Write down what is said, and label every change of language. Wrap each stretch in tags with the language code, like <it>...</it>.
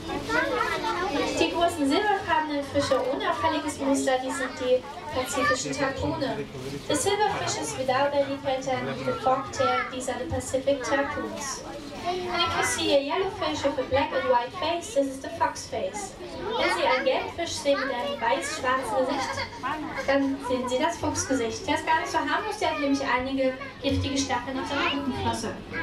<de>Die großen silberfarbenen Fische ohne auffälliges Muster, die sind die pazifischen Tarpone.</de> <en>The silverfish is without any pattern, the fogtail, these are the Pacific tarpons. And you can see a yellow fish with a black and white face, this is the fox face.</en> <de>Wenn Sie einen gelben Fisch sehen mit einem weiß-schwarzen Gesicht, dann sehen Sie das Fuchsgesicht. Der ist gar nicht so harmlos, der hat nämlich einige giftige Stacheln auf seiner Rückenflosse.</de>